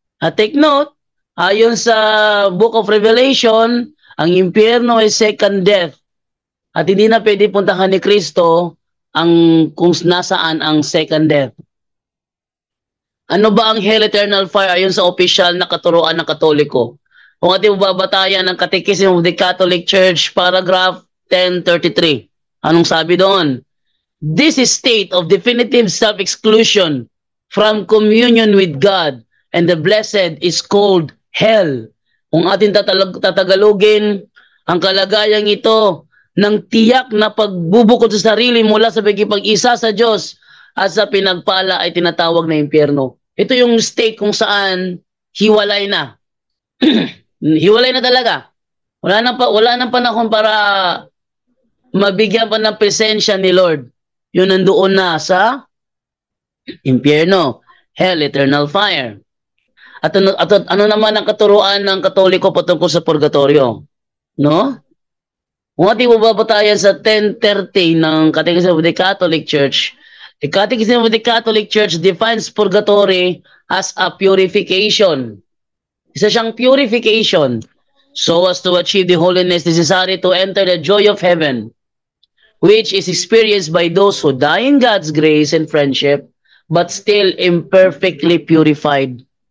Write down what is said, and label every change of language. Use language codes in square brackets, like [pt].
[tl] At take note, ayon sa Book of Revelation, ang impyerno ay second death. At hindi na pwede puntahan ni Kristo ang kung nasaan ang second death. Ano ba ang hell eternal fire ayon sa official na katuruan ng Katoliko? Kung ating babatayan ang Catechism of the Catholic Church, paragraph 1033. Anong sabi doon? [en] This is state of definitive self-exclusion from communion with God and the blessed is called hell. [tl] Kung ating tatagalogin ang kalagayang ito ng tiyak na pagbubukod sa sarili mula sa pagkipag-isa sa Diyos at sa pinagpala ay tinatawag na impyerno. Ito yung state kung saan hiwalay na. Hiwalay na talaga. Wala nang panahon para mabigyan pa ng presensya ni Lord. Yun nandoon na sa impyerno, hell, eternal fire. At ano naman ang katuruan ng Katoliko patungkol sa purgatorio? No? Kung ating bubabatayan sa 1030 ng [en] Catechism of the Catholic Church, the Catechism of the Catholic Church defines purgatory as a purification. [tl] Isa siyang purification. [en] So as to achieve the holiness necessary to enter the joy of heaven, which is experienced by those who die in God's grace and friendship, but still imperfectly purified.